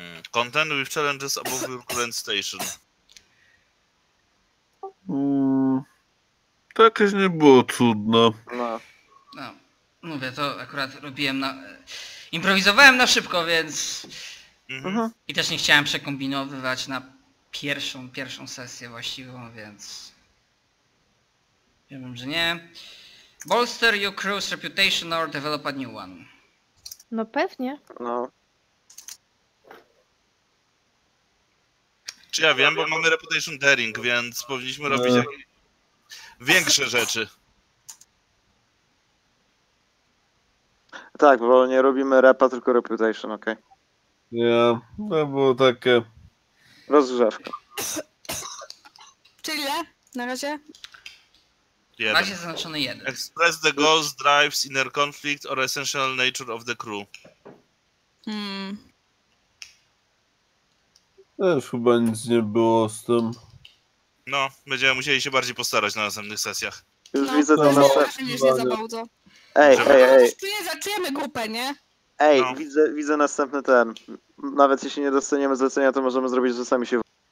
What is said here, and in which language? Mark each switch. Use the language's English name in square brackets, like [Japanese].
[English] Content with challenges above your current station. [Polish] To jakieś nie było cudne. No. Mówię, to akurat robiłem na... Improwizowałem na szybko, więc... I też nie chciałem przekombinowywać na... Pierwszą sesję właściwą, więc... Ja wiem, że nie. [English] Bolster your crew's reputation or develop a new one. [Polish] No pewnie. No. Czy ja wiem, bo mamy reputation daring, więc powinniśmy robić większe rzeczy. Tak, bo nie robimy repa, tylko reputation, okej. Okay. Nie, to było takie... Rozgrzewka. Czyli ile? Na razie? Jeden. Razie zaznaczony jeden. [English] Express the goals, drives, inner conflict or essential nature of the crew. [Polish] Też chyba nic nie było z tym. No, będziemy musieli się bardziej postarać na następnych sesjach. Już no, widzę to na następnym. Ej, czujemy grupę, nie? Ej, no. Widzę następny ten. Nawet jeśli nie dostaniemy zlecenia, to możemy zrobić, że sami się w...